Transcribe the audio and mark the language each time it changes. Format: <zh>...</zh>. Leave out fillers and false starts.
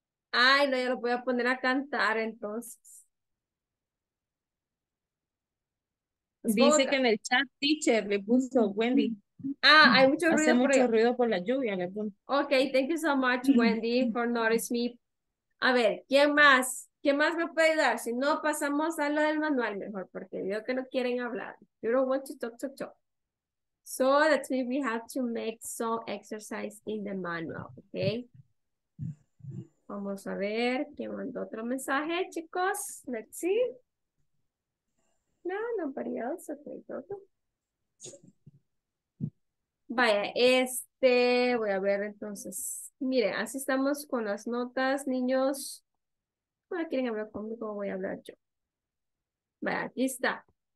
<es>Ay, no, ya lo voy a poner a cantar entonces. Dice que en el chat, teacher, le puso Wendy. Ah, hay mucho ruido. Hace mucho ruido por la lluvia.</es> <en>Okay, thank you so much, Wendy, for noticing me.</en> <es>A ver, ¿quién más? ¿Quién más me puede dar? Si no, pasamos a lo del manual mejor, porque veo que no quieren hablar.</es> <en>You don't want to talk. So, that's why we have to make some exercise in the manual, okay?</en> <es>Vamos a ver, ¿quién mandó otro mensaje, chicos?</es> <en>Let's see. No, nobody else, okay, todo.</en> <es>Vaya, voy a ver entonces. Mire, así estamos con las notas, niños. ¿Cómo quieren hablar conmigo? Voy a hablar yo. Vaya, aquí está.</es>